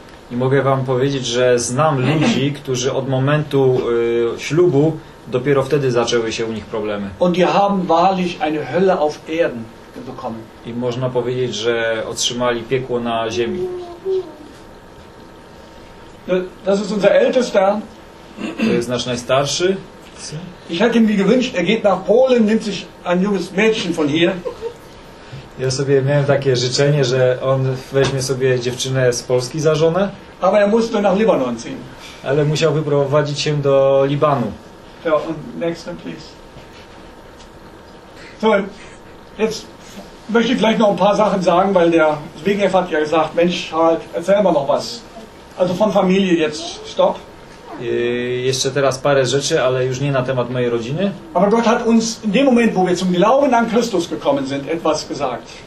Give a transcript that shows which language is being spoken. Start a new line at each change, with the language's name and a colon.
Polish: I mogę wam powiedzieć, że znam ludzi, którzy od momentu ślubu dopiero wtedy zaczęły się u nich problemy.
German: Und die haben wahrlich eine Hölle auf Erden.
Polish: I można powiedzieć, że otrzymali piekło na ziemi.
German: Das ist unser ältester.
Polish: To jest nasz najstarszy.
German: Ich hätte ihm gewünscht, er geht nach Polen, nimmt sich ein junges Mädchen von hier.
Polish: Ja sobie miałem takie życzenie, że on weźmie sobie dziewczynę z Polski za żonę.
German: Aber er musste nach Libanon ziehen.
Polish: Ale musiał wyprowadzić się do Libanu.
English: So, next one, please.
German: So, jetzt möchte ich gleich noch ein paar Sachen sagen, weil der Zbigniew hat ja gesagt, Mensch, halt, erzähl mal noch was. Also von Familie jetzt, stopp.
Polish: Jeszcze teraz parę rzeczy, ale już nie na temat mojej rodziny.
German: Aber Gott hat uns in dem Moment, wo wir zum Glauben an Christus gekommen sind, etwas gesagt.